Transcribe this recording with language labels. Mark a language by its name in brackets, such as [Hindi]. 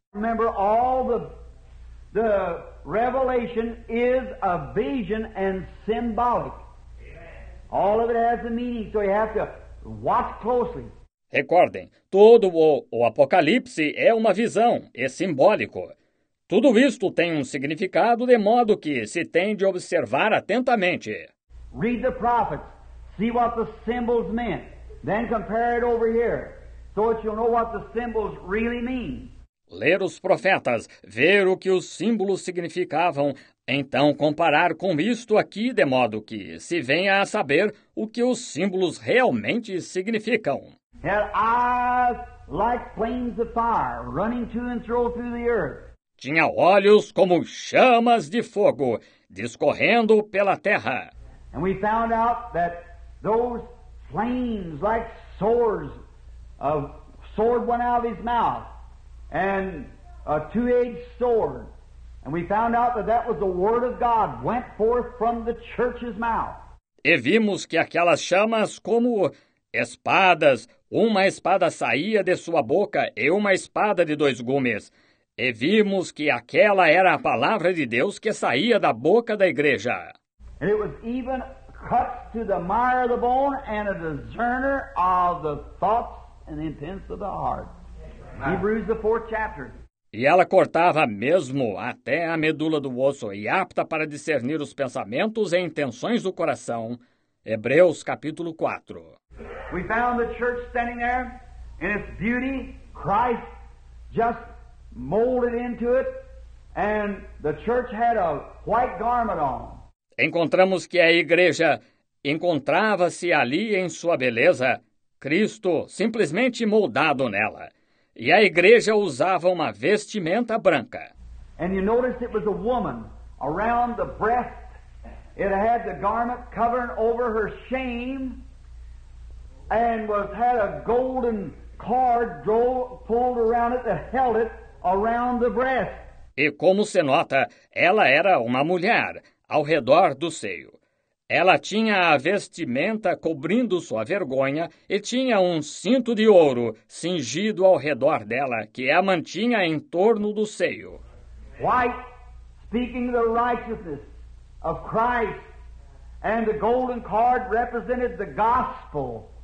[English] Remember, all the revelation is a vision and symbolic. All of it has a meaning, so you have to watch closely. [Portuguese] Recordem, todo o Apocalipse é uma visão, é simbólico. Tudo isto tem um significado, de modo que se tem de observar atentamente. [English] Read the prophets, see what the symbols meant, then compare it over here, so that you'll know what the symbols really mean. [Portuguese] Ler os profetas, ver o que os símbolos significavam, então comparar com isto aqui, de modo que se venha a saber o que os símbolos realmente significam. [English] Had eyes like flames of fire running to and fro through the earth. [Portuguese] Tinha olhos como chamas de fogo, discorrendo pela terra. [English] And we found out that those flames like swords, a sword went out of his mouth, and a two-edged sword. And we found out that that was the word of God went forth from the church's mouth. [Portuguese] E vimos que aquelas chamas como espadas, uma espada saía de sua boca e uma espada de dois gumes. E vimos que aquela era a palavra de Deus que saía da boca da igreja. [English] And it was even cut to the mire of the bone and a discerner of the thoughts and the intents of the heart. Amen. Hebrews the fourth chapter. [Portuguese] E ela cortava mesmo até a medula do osso e apta para discernir os pensamentos e intenções do coração. Hebreus capítulo 4. [English] We found the church standing there in its beauty, Christ just molded into it, and the church had a white garment on. [Portuguese] Encontramos que a igreja encontrava-se ali em sua beleza, Cristo simplesmente moldado nela, e a igreja usava uma vestimenta branca. [English] And you notice it was a woman around the breast. It had the garment covering over her shame, and was had a golden cord pulled around it that held it around the breast. [Portuguese] E como se nota, ela era uma mulher ao redor do seio. Ela tinha a vestimenta cobrindo sua vergonha e tinha um cinto de ouro cingido ao redor dela que a mantinha em torno do seio. [English] White, speaking the righteousness of Christ, and the golden cord represented the gospel.